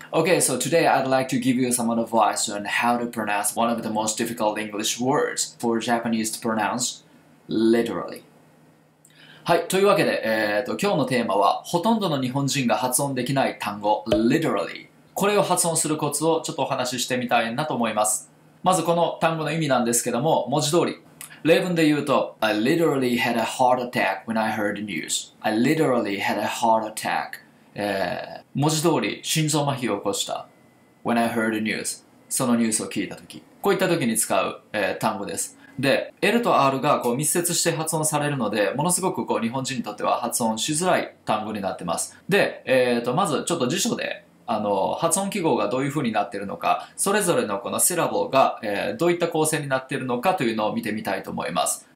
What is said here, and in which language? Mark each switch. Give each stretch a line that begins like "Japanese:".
English: Okay, so today I'd like to give you some advice on how to pronounce one of the most difficult English words for Japanese to pronounce literally.
Japanese: はい、というわけで、今日のテーマはほとんどの日本人が発音できない単語 literally。これを発音するコツをちょっとお話ししてみたいなと思います。まずこの単語の意味なんですけども、文字通り例文で言うと、
English: I literally had a heart attack when I heard the news. I literally had a heart attack.
Japanese: 文字通り心臓麻痺を起こした。
English: When I heard the news.
Japanese: そのニュースを聞いたとき。こういったときに使う、単語です。で、L と R がこう密接して発音されるので、ものすごくこう日本人にとっては発音しづらい単語になってます。で、まずちょっと辞書で。発音記号がどういう風になっているのか、それぞれのこのシラボが、どういった構成になっているのかというのを見てみたいと思います。